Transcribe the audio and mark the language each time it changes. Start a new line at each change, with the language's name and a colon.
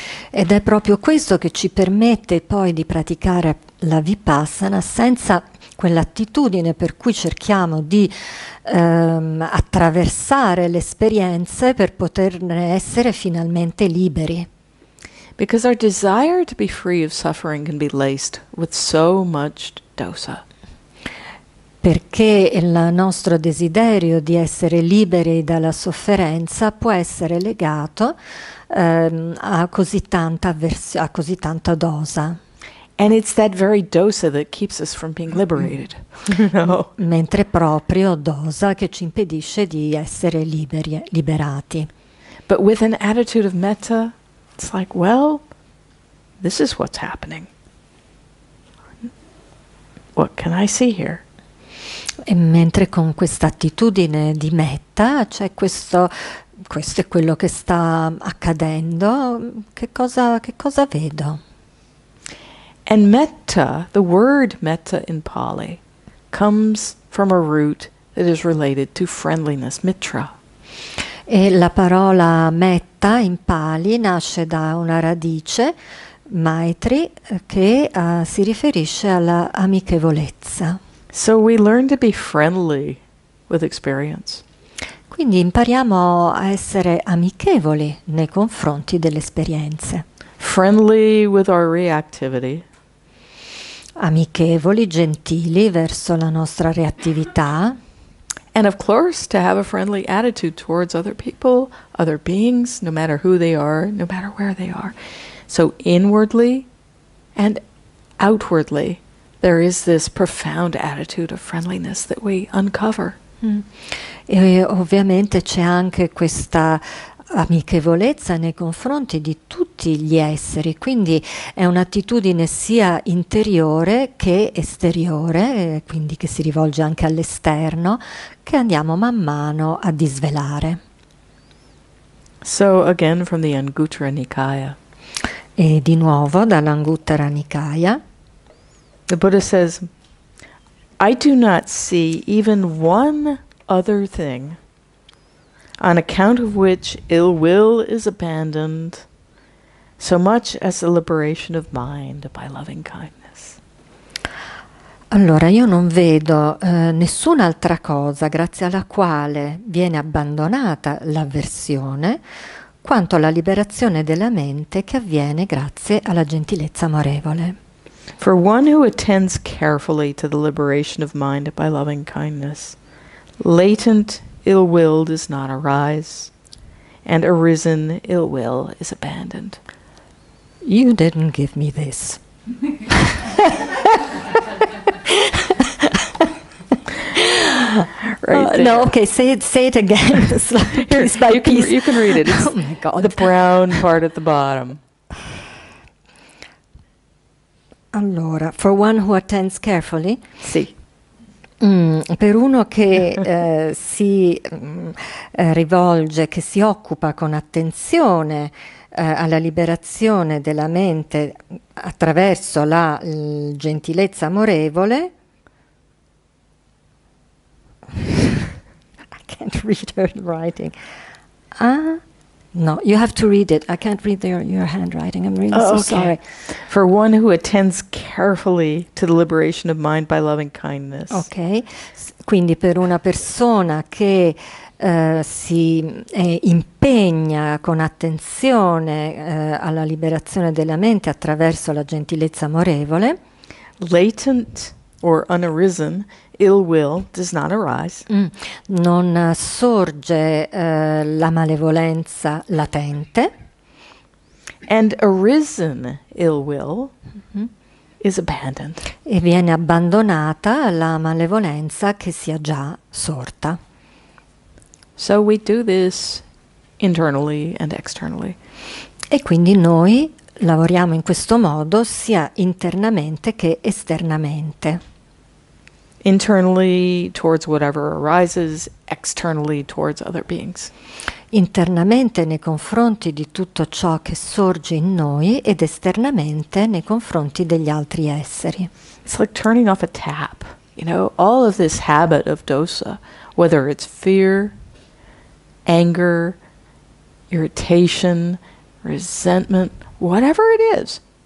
Italian: Ed è proprio questo che ci permette poi di praticare la Vipassana senza quell'attitudine per cui cerchiamo di attraversare le esperienze per poterne essere finalmente liberi.
English: Because our desire to be free of suffering can be laced with so much dosa.
Italian: Perché il nostro desiderio di essere liberi dalla sofferenza può essere legato a così tanta dosa.
English: And it's that very dosa that keeps us from being liberated. No.
Italian: Mentre proprio dosa che ci impedisce di essere liberati.
English: But with an attitude of metta, it's like, well, this is what's happening. What can I see here?
Italian: E mentre con questa attitudine di metta, cioè questo è quello che sta accadendo, che cosa vedo?
English: And metta, the word metta in Pali, comes from a root that is related to friendliness, mitra.
Italian: E la parola metta in Pali nasce da una radice, maitri, che si riferisce alla amichevolezza.
English: So we learn to be friendly with experience.
Italian: Quindi impariamo a essere amichevoli nei confronti delle esperienze.
English: Friendly with our reactivity.
Italian: Amichevoli, gentili verso la nostra reattività.
English: And of course to have a friendly attitude towards other people, other beings, no matter who they are, no matter where they are. So inwardly and outwardly there is this profound attitude of friendliness that we uncover.
Italian: E ovviamente c'è anche questa amichevolezza nei confronti di tutti gli esseri, quindi è un'attitudine sia interiore che esteriore, quindi che si rivolge anche all'esterno, che andiamo man mano a disvelare.
English: So again from the Anguttara Nikaya.
Italian: E di nuovo dall'Anguttara Nikaya.
English: The Buddha says, I do not see even one other thing on account of which ill will is abandoned so much as the liberation of mind by loving kindness.
Italian: Allora, io non vedo nessun'altra cosa grazie alla quale viene abbandonata l'avversione quanto la liberazione della mente che avviene grazie alla gentilezza amorevole.
English: For one who attends carefully to the liberation of mind by loving kindness, latent ill will does not arise, and arisen ill will is abandoned. You didn't give me this. Right there. No, okay, say it again. Piece by you can, piece. You can read it. It's oh my God. The brown part at the bottom.
Italian: Allora,
English: for one who attends carefully,
Italian: sì. Per uno che si rivolge, che si occupa con attenzione alla liberazione della mente attraverso la gentilezza amorevole.
English: I can't read her writing. No, you have to read it. I can't read your handwriting. I'm really so sorry. For one who attends carefully to the liberation of mind by loving kindness.
Italian: Ok, quindi per una persona che si impegna con attenzione alla liberazione della mente attraverso la gentilezza amorevole.
English: Latent or unarisen. Ill will does not arise.
Italian: Non sorge la malevolenza latente.
English: And arisen ill will is abandoned.
Italian: E viene abbandonata la malevolenza che sia già sorta.
English: So we do this internally and externally.
Italian: E quindi noi lavoriamo in questo modo sia internamente che esternamente.
English: Internally towards whatever arises, externally towards other beings.
Italian: Internamente nei confronti di tutto ciò che sorge in noi ed esternamente nei confronti degli altri esseri.
English: It's like turning off a tap, you know, all of this habit of dosa, whether it's fear, anger, irritation, resentment, whatever it is.